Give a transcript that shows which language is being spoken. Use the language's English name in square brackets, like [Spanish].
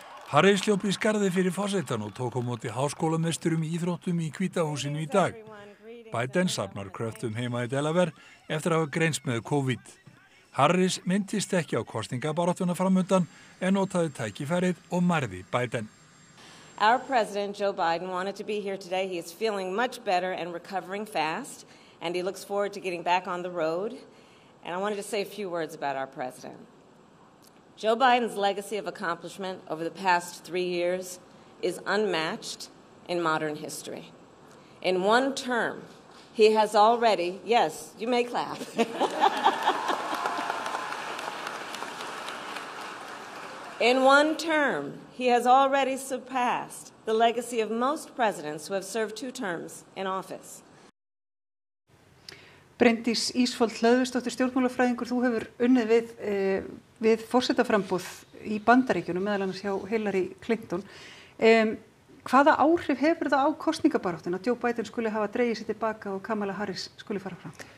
[Icelandic] Harris hljóp í skarði fyrir forsetann og tók á móti háskólameisturum í íþróttum í Hvíta húsinu í dag. Biden safnar kröftum heima í Delaware eftir að hafa greinst með COVID. Harris minntist ekki á kosningabaráttuna framundan en notaði tækifærið og mærði Biden. [English] Our president Joe Biden wanted to be here today. He is feeling much better and recovering fast and he looks forward to getting back on the road. And I wanted to say a few words about our president. Joe Biden's legacy of accomplishment over the past 3 years is unmatched in modern history. In one term, he has already, yes, you may clap. In one term, he has already surpassed the legacy of most presidents who have served 2 terms in office. [Icelandic] Bryndís Ísfold Hlöðvistóttir stjórnmálafræðingur, þú hefur unnið við forsetaframboð í Bandaríkjunum, meðal annars hjá Hillary Clinton. Hvaða áhrif hefur það á kosningabaráttuna að Joe Biden skuli hafa dregið sig tilbaka og Kamala Harris skuli fara fram?